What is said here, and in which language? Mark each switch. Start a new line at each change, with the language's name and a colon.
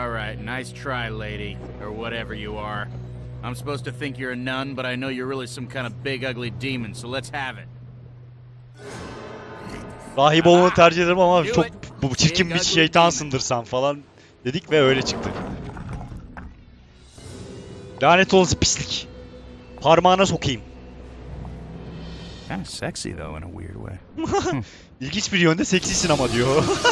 English: Nice try, lady, or whatever you are. I'm supposed to think you're a nun, but I know you're really some kind of big ugly demon, so let's have it.
Turkish: Rahip olmanı tercih ederim ama çok bu çirkin bir şeytansındır sen falan dedik ve öyle çıktı. Lanet olası pislik. Parmağına sokayım.
English: Kind of sexy though in a weird way.
Turkish: İlginç bir yönde seksisin ama diyor.